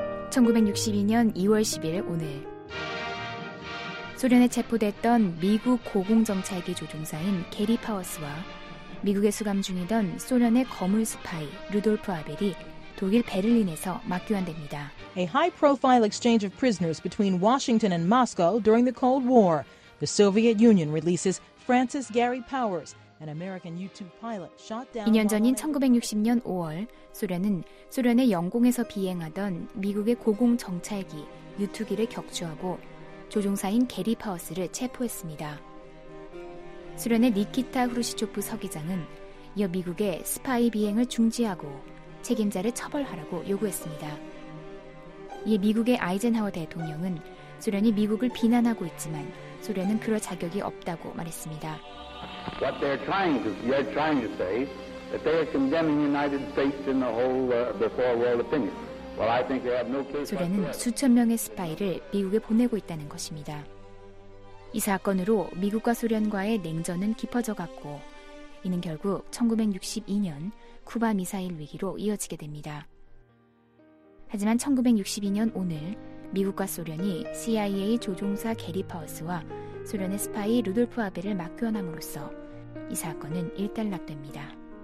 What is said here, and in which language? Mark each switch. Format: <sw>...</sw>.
<ko>1962년 2월 10일 오늘 소련에 체포됐던 미국 고공정찰기 조종사인 게리 파워스와 미국에 수감 중이던 소련의 거물 스파이 루돌프 아벨이 독일 베를린에서 맞교환됩니다.</ko> <en>A high-profile exchange of prisoners between Washington and Moscow during the Cold War. The Soviet Union releases Francis Gary Powers, an American U-2 pilot shot down.</en> <ko>2년 전인 1960년 5월, 소련은 소련의 영공에서 비행하던 미국의 고공정찰기 U-2기를 격추하고 조종사인 게리 파워스를 체포했습니다. 소련의 니키타 후르시초프 서기장은 이어 미국의 스파이 비행을 중지하고 책임자를 처벌하라고 요구했습니다. 이에 미국의 아이젠하워 대통령은 소련이 미국을 비난하고 있지만 소련은 그럴 자격이 없다고 말했습니다.</ko> <en>What they're trying to, you're trying to say that they are condemning the United States in the whole before world opinion. Well, I think they have no case.</en> <ko>소련은 수천 명의 스파이를 미국에 보내고 있다는 것입니다. 이 사건으로 미국과 소련과의 냉전은 깊어져갔고 이는 결국 1962년 쿠바 미사일 위기로 이어지게 됩니다. 하지만 1962년 오늘 미국과 소련이 CIA 조종사 게리 파워스와 소련의 스파이 루돌프 아벨을 맞교환함으로써 이 사건은 일단락됩니다.</ko>